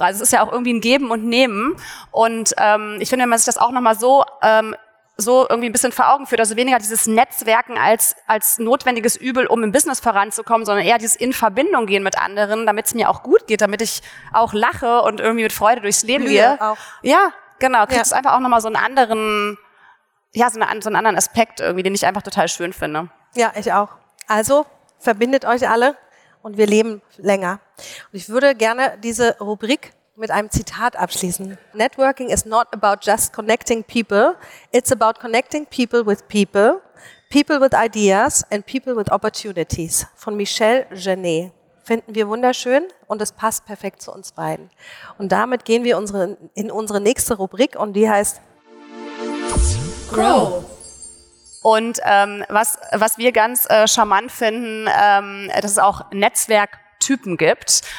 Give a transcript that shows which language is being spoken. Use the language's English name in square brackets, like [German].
[German] Also es ist ja auch irgendwie ein Geben und Nehmen. Und ich finde, wenn man sich das auch nochmal so irgendwie ein bisschen vor Augen führt, also weniger dieses Netzwerken als notwendiges Übel, um im Business voranzukommen, sondern eher dieses in Verbindung gehen mit anderen, damit es mir auch gut geht, damit ich auch lache und irgendwie mit Freude durchs Leben gehe. Ja. Genau, kriegst du ja. Einfach auch nochmal so einen anderen Aspekt irgendwie, den ich einfach total schön finde. Ja, ich auch. Also, verbindet euch alle und wir leben länger. Und ich würde gerne diese Rubrik mit einem Zitat abschließen. [English] Networking is not about just connecting people. It's about connecting people with people, people with ideas and people with opportunities. [German] Von Michel Genet. Finden wir wunderschön und es passt perfekt zu uns beiden. Und damit gehen wir in unsere nächste Rubrik und die heißt [English] Grow. [German] Und was wir ganz charmant finden, dass es auch Netzwerktypen gibt.